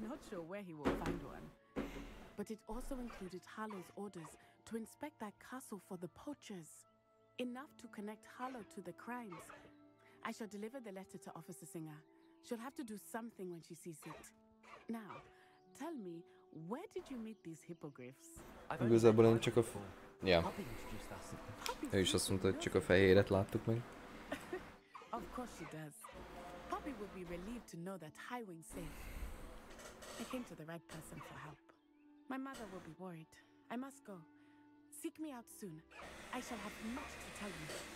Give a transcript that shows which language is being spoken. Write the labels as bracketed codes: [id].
[en] Not sure where he will find one. But it also included Harlow's orders to inspect that castle for the poachers. Enough to connect Harlow to the crimes. I shall deliver the letter to Officer Singer. She'll have to do something when she sees it. Now, tell me, where did you meet these hippogriffs? [hu] Igazából én csak a... [en] Yeah. [hu] Ő is azt mondta, hogy csak a fehéret láttuk meg. [en] Of course she does. Poppy would be relieved to know that Highwing's safe. I came to the right person for help. My mother will be worried. I must go. Seek me out soon. I shall have much to tell you.